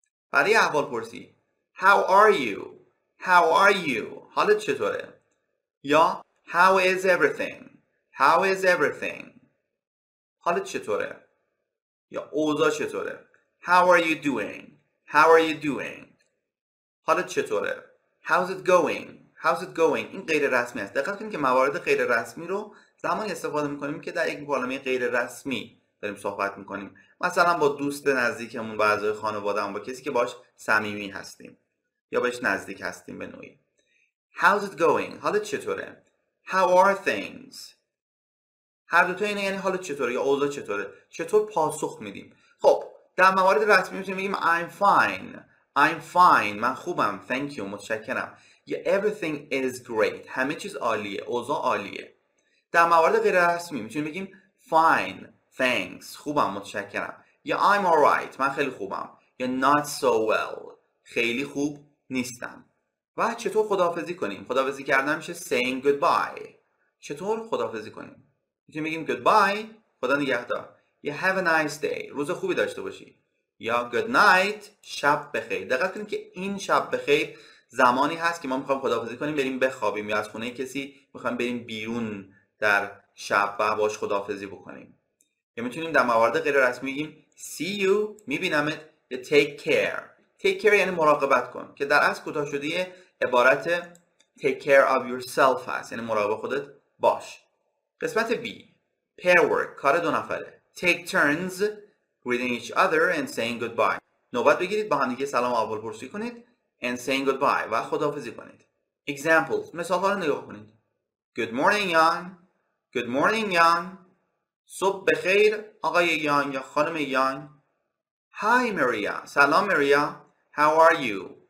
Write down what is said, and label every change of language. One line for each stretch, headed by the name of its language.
Persian: برای احوال پرسی.
English: How are you? How are you?
Persian: حالت چطوره؟ یا
English: How is everything? How is everything?
Persian: حالت چطوره؟ یا اوضاع چطوره؟
English: How are you doing? How are you doing?
Persian: حالت چطوره؟
English: How's it going? How's it going?
Persian: این غیر رسمی است. دقت کنید که موارد غیر رسمی رو زمانی استفاده میکنیم که در یک مکالمه غیر رسمی داریم صحبت میکنیم. مثلا با دوست نزدیکمون, با اعضای خانواده‌مون, با کسی که باش صمیمی هستیم یا بهش نزدیک هستیم به نوعی.
English: How's it going?
Persian: حالت چطوره؟
English: How are things?
Persian: هر دو تا اینه, یعنی حالت چطوره یا اوضاع چطوره. چطور پاسخ میدیم. خب در موارد رسمی میتونیم بگیم
English: I'm fine.
Persian: من خوبم.
English: Thank you.
Persian: متشکرم.
English: یا Everything is great.
Persian: همه چیز عالیه. اوضاع عالیه. در موارد غیر رسمی میتونیم بگیم Fine.
English: Thanks.
Persian: خوبم. متشکرم.
English: یا I'm alright.
Persian: من خیلی خوبم.
English: یا Not so well.
Persian: خیلی خوب نیستم. و چطور خداحافظی کنیم؟ خداحافظی کردن میشه saying goodbye. چطور خداحافظی کنیم؟ میتونیم بگیم goodbye, خدا نگهدار. یا
English: have a nice day,
Persian: روز خوبی داشته باشی. یا
English: good night,
Persian: شب بخیر. دقت کنید که این شب بخیر زمانی هست که ما میخوایم خداحافظی کنیم بریم بخوابیم یا از خونه کسی میخوایم بریم بیرون در شب و باش خداحافظی بکنیم. یا میتونیم در موارد غیر رسمی بگیم
English: see you,
Persian: میبینمت, یا
English: take care. Take care
Persian: یعنی مراقبت کن, که در اصل کوتاه شده عبارت
English: take care of yourself
Persian: هست, یعنی مراقب خودت باش. قسمت B, pair work, کار دو نفره.
English: Take turns greeting each other and saying goodbye.
Persian: نوبت بگیرید با هم دیگه سلام و احوالپرسی کنید
English: and saying goodbye
Persian: و خداحافظی کنید. Examples, مثال ها رو نگاه کنید.
English: Good morning Yang. Good morning Yang.
Persian: صبح بخیر آقای Yang یا خانم Yang.
English: Hi Maria.
Persian: سلام
English: Maria. How are you?